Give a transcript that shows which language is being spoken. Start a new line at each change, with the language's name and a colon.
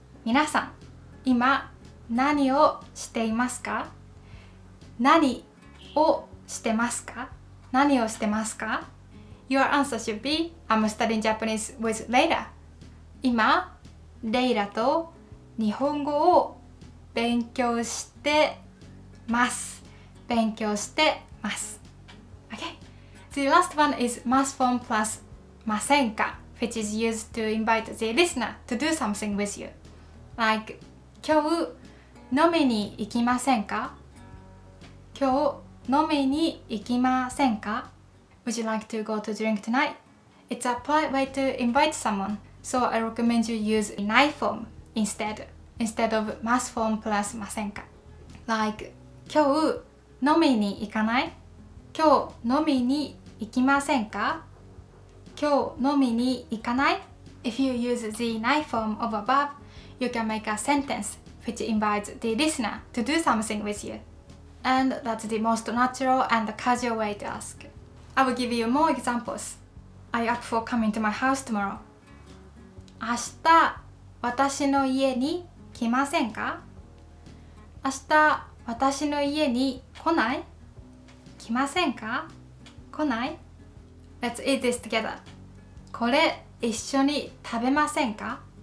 Japanese: 皆さん、今何をしていますか？何をしてますか？何をしてますか？
English: Your answer should be, I'm studying Japanese with Layla.
Japanese: 今、Layla と日本語を勉強してます。勉強してます。
English: Okay. The last one is must form plusませんか? Which is used to invite the listener to do something with you.
Japanese: Like, 今日飲みに行きませんか? 今日飲みに行きませんか?
English: Would you like to go to drink tonight? It's a polite way to invite someone. So I recommend you use ない form instead. Instead of ます form plus ませんか?Like,
Japanese: 今日飲みに行かない? 今日飲みに行きませんか? 今日飲みに行かない?
English: If you use the ない form of above, you can make a sentence which invites the listener to do something with you. And that's the most natural and casual way to ask. I will give you more examples. Are you up for coming to my house tomorrow?
Japanese: 明日、私の家に来ませんか? 明日、私の家に来ない?来ませんか?来ない?
English: Let's eat this together.
Japanese: これ一緒に食べませんか?